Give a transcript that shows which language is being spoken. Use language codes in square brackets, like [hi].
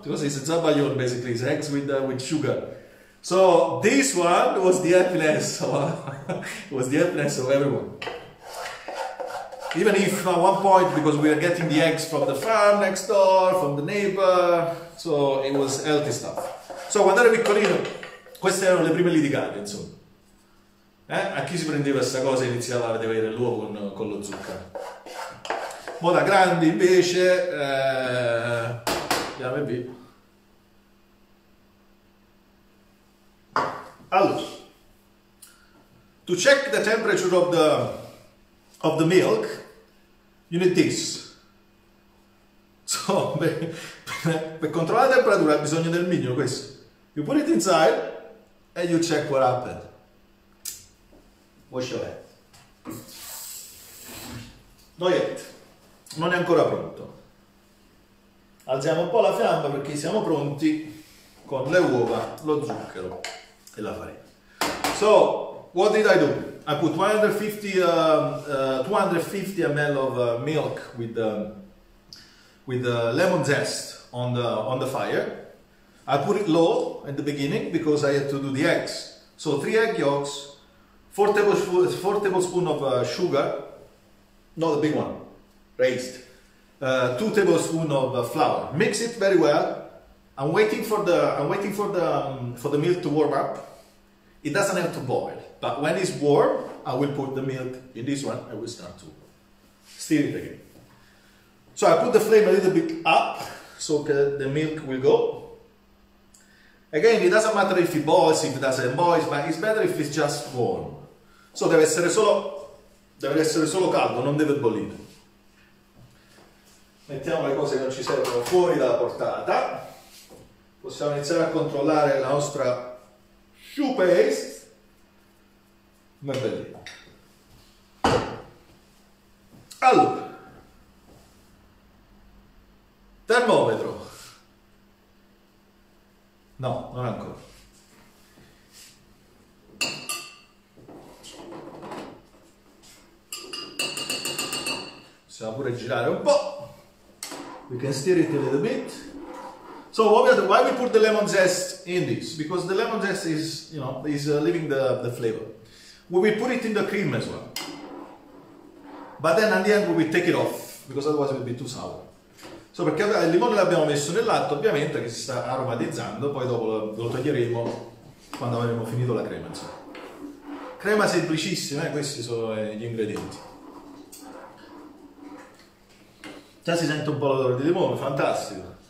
[en] Because it's a zabayon basically, it's eggs with sugar. So this one was the happiness of, it was the happiness of everyone. Even if at one point, because we are getting the eggs from the farm next door, from the neighbor, so it was healthy stuff. [it] So quando ero piccolino, queste erano le prime litigate, insomma. A chi si prendeva questa cosa e iniziava a vedere l'uovo con lo zucchero? Mo da grandi invece, andiamo in via. [en] Allora, to check the temperature of the milk, you need this. [it] So, per controllare la temperatura hai bisogno del mignolo, questo. [en] You put it inside and you check what happened. Wash your head. No yet. [it] Non è ancora pronto. Alziamo un po' la fiamma perché siamo pronti con le uova, lo zucchero e la farina. [en] So, what did I do? I put 250 ml of milk with the lemon zest on the fire. I put it low at the beginning because I had to do the eggs. So 3 egg yolks, 4 tablespoons of sugar, not a big one, raised, 2 tablespoons of flour. Mix it very well. I'm waiting for the milk to warm up. It doesn't have to boil, but when it's warm, I will put the milk in this one and we start to stir it again. So I put the flame a little bit up so the milk will go. Again, it doesn't matter if it boils, if it doesn't boil, but it's better if it's just warm. [it] So deve essere solo caldo, non deve bollire. Mettiamo le cose che non ci servono fuori dalla portata. Possiamo iniziare a controllare la nostra shoe paste. Ma bellino. Allora, termometro. No, non ancora. Possiamo pure girare un po'. [en] We can stir it a little bit. So why we put the lemon zest in this? Because the lemon zest is leaving the flavor. We will put it in the cream as well. But then at the end we will take it off, because otherwise it will be too sour. [it] So perché il limone l'abbiamo messo nel latte, ovviamente, che si sta aromatizzando, poi dopo lo toglieremo quando avremo finito la crema, insomma. Crema semplicissima, questi sono gli ingredienti. Già si sente un po' l'odore di limone, fantastico.